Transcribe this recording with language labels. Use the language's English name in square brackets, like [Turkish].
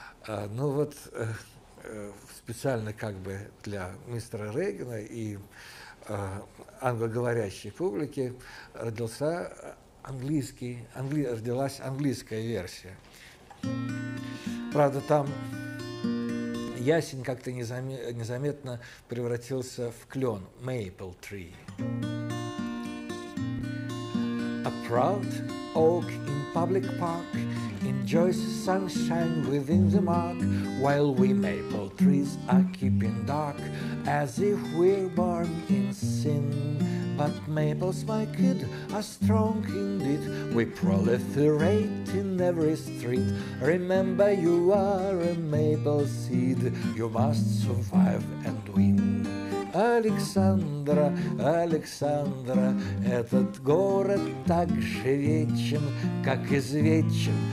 [Russian] Ну, вот специально как бы для мистера Рейгана и англоговорящей публики родился родилась английская версия. Правда, там ясень как-то незаметно превратился в клен. [English] Maple tree. A proud oak in public park enjoys sunshine within the mark, while we maple trees are keeping dark as if we're born in sin. But maples, my kid, are strong indeed. We proliferate in every street. Remember, you are a maple seed. You must survive and win. [Russian] Александра, Александра, этот город так же вечен, как извечен.